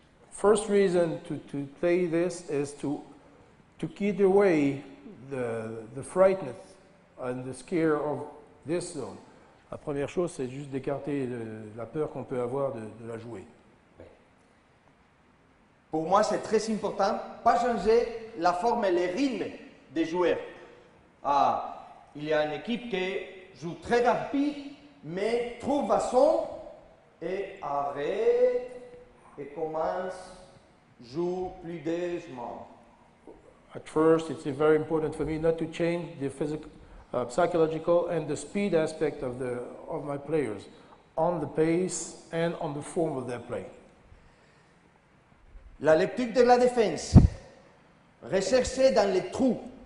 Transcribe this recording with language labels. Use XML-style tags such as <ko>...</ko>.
<en>First reason to play this is to keep away the frightened and the scare of this zone.</en> <fr>La première chose, c'est juste d'écarter la peur qu'on peut avoir de la jouer. Pour moi, c'est très important, pas changer la forme et le rythme des joueurs. Ah, il y a une équipe qui joue très rapide, mais trouve façon et arrête et commence, joue plus doucement.</fr> <en>At first, it's very important for me not to change the physical, psychological and the speed aspect of my players on the pace and on the form of their play.</en> <fr>La lecture de la défense. Rechercher dans les trous.</fr>